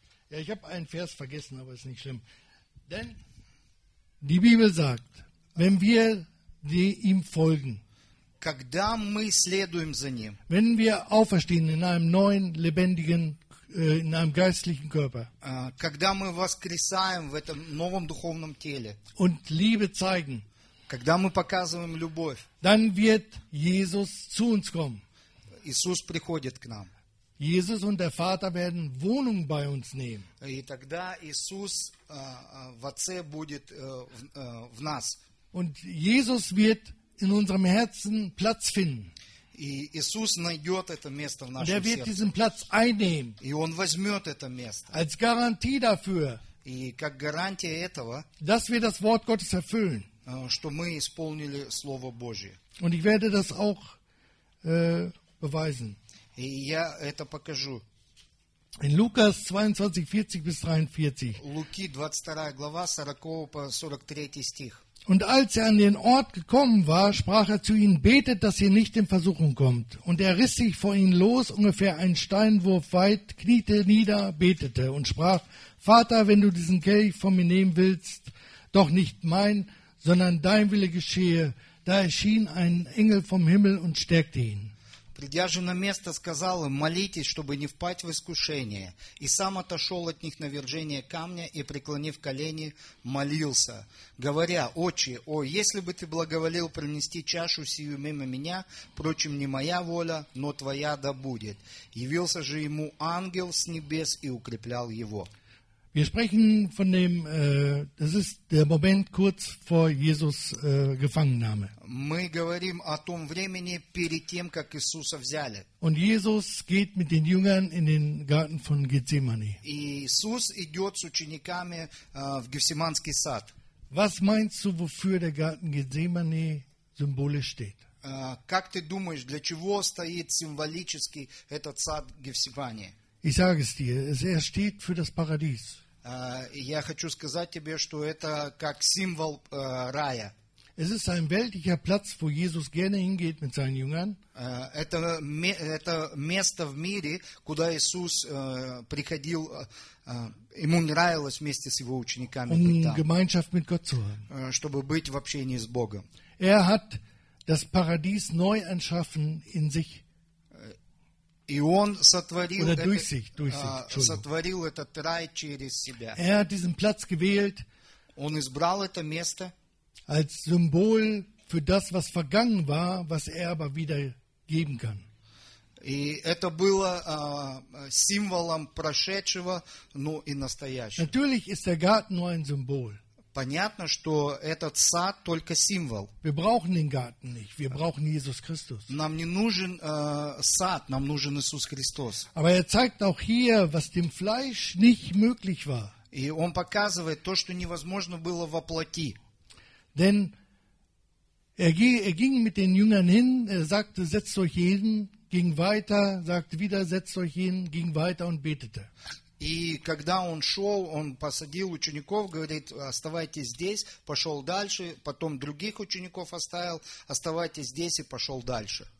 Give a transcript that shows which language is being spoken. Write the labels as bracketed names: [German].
[German] Ja, ich habe einen Vers vergessen, aber ist nicht schlimm. Denn die Bibel sagt, wenn wir ihm folgen, [Russian] когда мы следуем за ним, [German] wenn wir auferstehen in einem neuen, lebendigen, in einem geistlichen Körper, [Russian] когда мы воскресаем в этом новом духовном теле, [German] und Liebe zeigen, [Russian] когда мы показываем любовь, [German] dann wird Jesus zu uns kommen. [Russian] Иисус приходит к нам. [German] Jesus und der Vater werden Wohnung bei uns nehmen. [Russian] И тогда Иисус в Отце будет в нас. [German] Und Jesus wird in unserem Herzen Platz finden. [Russian] И Иисус найдет это место в нашем сердце. [German] Und er wird [Russian] сердце. [German] Diesen Platz einnehmen. [Russian] И он возьмет это место. [German] Als Garantie dafür. [Russian] И как гарантия этого. [German] Dass wir das Wort Gottes erfüllen. [Russian] Что мы исполнили Слово Божие. [German] Und ich werde das auch beweisen. [Russian] И я это покажу. [German] In Lukas 22, 40 bis 43. [Russian] Луки 22 глава 40 по 43 стих. [German] Und als er an den Ort gekommen war, sprach er zu ihnen: Betet, dass ihr nicht in Versuchung kommt. Und er riss sich vor ihnen los, ungefähr einen Steinwurf weit, kniete nieder, betete und sprach: Vater, wenn du diesen Kelch von mir nehmen willst, doch nicht mein, sondern dein Wille geschehe. Da erschien ein Engel vom Himmel und stärkte ihn. [Russian] придя же на место, сказал им: молитесь, чтобы не впасть в искушение. И сам отошел от них на вержение камня и, преклонив колени, молился, говоря: отче, о, если бы ты благоволил принести чашу сию мимо меня, впрочем, не моя воля, но твоя да будет. Явился же ему ангел с небес и укреплял его. [German] Wir sprechen von dem, das ist der Moment kurz vor Jesus Gefangennahme. [Russian] Мы говорим о том времени перед тем, как Иисуса взяли. [German] Und Jesus geht mit den Jüngern in den Garten von Gethsemane. [Russian] Иисус идет с учениками в Гефсиманский сад. [German] Was meinst du, wofür der Garten Gethsemane symbolisch steht? [Russian] Как ты думаешь, для чего стоит символически этот сад Гефсимании? [German] Ich sage es dir, er steht für das Paradies. [Russian] Я хочу сказать тебе, что это как символ рая. [German] Es ist ein weltlicher Platz, wo Jesus gerne hingeht mit seinen Jüngern. [Russian] Это место в мире, куда Иисус приходил, ему нравилось вместе с его учениками быть там. [German] Gemeinschaft mit Gott zu haben. [Russian] Чтобы быть в общении с Богом. [German] Er hat das Paradies neu erschaffen in sich. [Russian] И он сотворил, сотворил этот рай через себя. [German] Hat diesen Platz gewählt, [Russian] он избрал это место [German] als Symbol für das, was vergangen war, was aber wieder geben kann. [Russian] И это было символом прошедшего, но и настоящего. [German] Natürlich ist der Garten nur ein Symbol. [Russian] Понятно, что этот сад только символ. [German] Wir brauchen den Garten nicht, wir brauchen Jesus Christus. [Russian] Нам не нужен сад, нам нужен Иисус Христос. [German] Aber zeigt auch hier, was dem Fleisch nicht möglich war. [Russian] И он показывает то, что невозможно было во плоти. [German] Denn ging mit den Jüngern hin, sagte, setzt euch hin, ging weiter, sagte wieder, setzt euch hin, ging weiter und betete. [Russian] И когда он шел, он посадил учеников, говорит: оставайтесь здесь, пошел дальше, потом других учеников оставил, оставайтесь здесь и пошел дальше.